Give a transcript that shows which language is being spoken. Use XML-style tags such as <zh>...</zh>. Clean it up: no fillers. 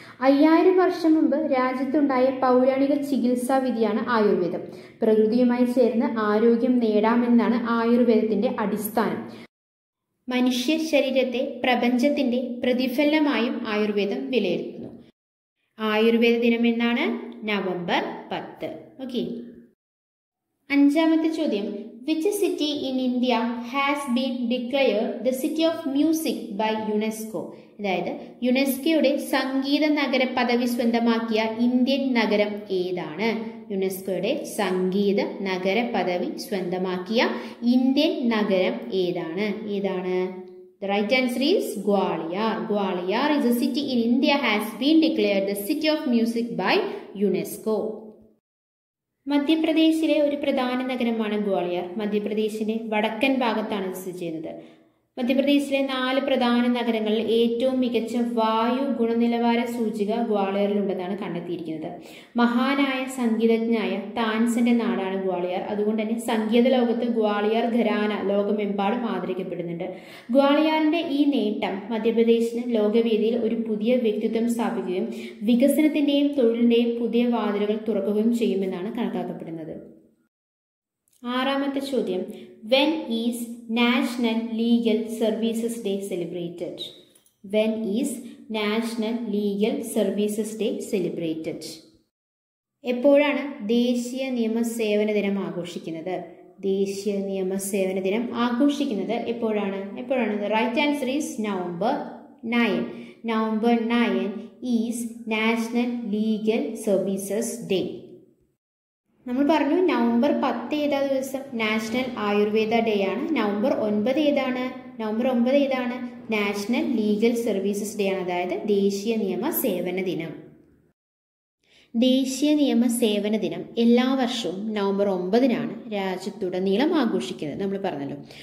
<ml>5000 വർഷം മുമ്പ് രാജ്യത്തുണ്ടായ പൗരാണിക ചികിത്സാ വിധിയാണ് ആയുർവേദം. പ്രകൃതിയുമായി ചേർന്ന് ആരോഗ്യം നേടാമെന്നാണ് ആയുർവേദത്തിൻ്റെ അടിസ്ഥാനം. മനുഷ്യ ശരീരത്തെ പ്രപഞ്ചത്തിൻ്റെ പ്രതിഫലനമായും ആയുർവേദം വിലയിരുത്തുന്നു. ആയുർവേദ ദിനം എന്നാണ് November 10.</ml> <en>Okay, 5th question. Which city in India has been declared the city of music by UNESCO?</en> <ml>അതായത് യുനെസ്കോയുടെ സംഗീത നഗര പദവി സ്വന്തമാക്കിയ ഇന്ത്യൻ നഗരം ഏതാണ്? യുനെസ്കോയുടെ സംഗീത നഗര പദവി സ്വന്തമാക്കിയ ഇന്ത്യൻ നഗരം ഏതാണ്? ഏതാണ്?</ml> <en>The right answer is Gwalior. Gwalior is a city in India has been declared the city of music by UNESCO.</en> <ml>മധ്യപ്രദേശിലെ ഒരു പ്രധാന നഗരമാണ് ഗ്വാളിയർ. മധ്യപ്രദേശിൻ്റെ വടക്കൻ ഭാഗത്താണ് സ്ഥിതി ചെയ്യുന്നത്. മധ്യപ്രദേശിലെ 4 പ്രധാന നഗരങ്ങളിൽ ഏറ്റവും മികച്ച വായു ഗുണനിലവാര സൂചിക ഗ്വാളിയറിലുണ്ടെന്നാണ് കണ്ടെത്തിയിരിക്കുന്നത്. മഹാനായ സംഗീതജ്ഞനായ താൻസന്റെ നാടാണ് ഗ്വാളിയർ. അതുകൊണ്ട് തന്നെ സംഗീത ലോകത്ത് ഗ്വാളിയർ ഖരാന ലോകമെമ്പാടും ആദരിക്കപ്പെടുന്നുണ്ട്. ഗ്വാളിയറിൻ്റെ ഈ നേട്ടം മധ്യപ്രദേശിന് ലോകവേദിയിൽ ഒരു പുതിയ വ്യക്തിത്വം സ്ഥാപിക്കുകയും വികസനത്തിൻ്റെയും തൊഴിലിൻ്റെയും പുതിയ വാതിലുകൾ തുറക്കുകയും ചെയ്യുമെന്നാണ് കണക്കാക്കപ്പെടുന്നത്.</ml> <en>6th question. When is National Legal Services Day celebrated? When is National Legal Services Day celebrated?</en> <ml>എപ്പോഴാണ് ദേശീയ നിയമ സേവന ദിനം ആഘോഷിക്കുന്നത്? ദേശീയ നിയമ സേവന ദിനം ആഘോഷിക്കുന്നത് എപ്പോഴാണ്? എപ്പോഴാണ്?</ml> <en>The right answer is November 9. November 9 is National Legal Services Day.</en> <ml>നമ്മൾ പറഞ്ഞു നവംബർ 10 ഏതാ ദിവസം നാഷണൽ ആയുർവേദ ഡേ ആണ്. നവംബർ 9 ഏതാണ്? നവംബർ 9 ഏതാണ്? നാഷണൽ ലീഗൽ സർവീസസ് ഡേ ആണ്. അതായത് ദേശീയ നിയമ സേവന ദിനം. ദേശീയ നിയമ സേവന ദിനം എല്ലാ വർഷവും നവംബർ 9 രാജ്യത്തുടനീളം ആഘോഷിക്കുന്നത് നമ്മൾ പറഞ്ഞല്ലോ.</ml>